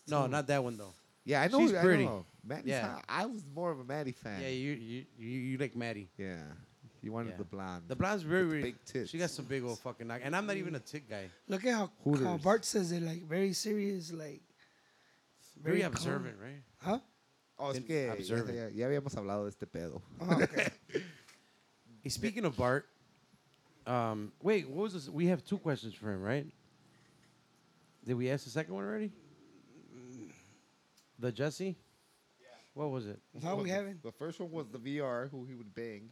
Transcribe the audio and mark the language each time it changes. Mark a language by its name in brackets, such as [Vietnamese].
[English] Too. No, not that one, though. Yeah, I know. She's pretty. I know. Maddie's hot. I was more of a Maddie fan. Yeah, you like Maddie. Yeah. You wanted the blonde. The blonde's very, very big tits. She got some big old fucking knock. And I'm not even a tit guy. Look at how Bart says it, like, very serious, like. Very observant, calm. Right? Huh? [Spanish] Oh, es que ya habíamos hablado de este pedo. [English] Oh, okay. Hey, speaking of Bart, wait, what was this? We have two questions for him, right? Did we ask the second one already? The Jesse? Yeah. What was it? How we having? The first one was the VR, who he would bang.